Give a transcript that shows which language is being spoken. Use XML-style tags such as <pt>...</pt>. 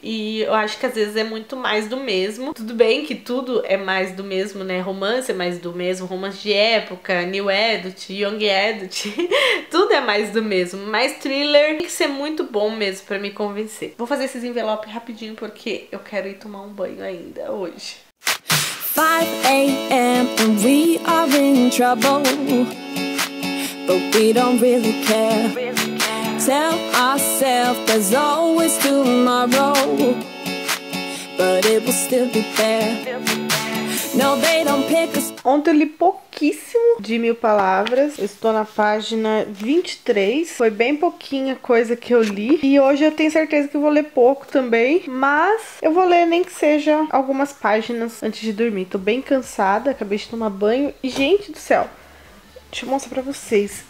<pt>E eu acho que às vezes é muito mais do mesmo. Tudo bem que tudo é mais do mesmo, né? Romance é mais do mesmo. Romance de época, new adult, young adult. Tudo é mais do mesmo. Mas thriller tem que ser muito bom mesmo pra me convencer. Vou fazer esses envelopes rapidinho porque eu quero ir tomar um banho ainda hoje.</pt> <en>5 a.m. and we are in trouble, but we don't really care. Tell ourselves there's always tomorrow, but it will still be there. No, they don't pick us.</en> <pt>Ontem eu li pouquíssimo de 1000 palavras. Estou na página 23. Foi bem pouquinha coisa que eu li. E hoje eu tenho certeza que vou ler pouco também. Mas eu vou ler nem que seja algumas páginas antes de dormir. Tô bem cansada, acabei de tomar banho. E, gente do céu, deixa eu mostrar pra vocês.</pt>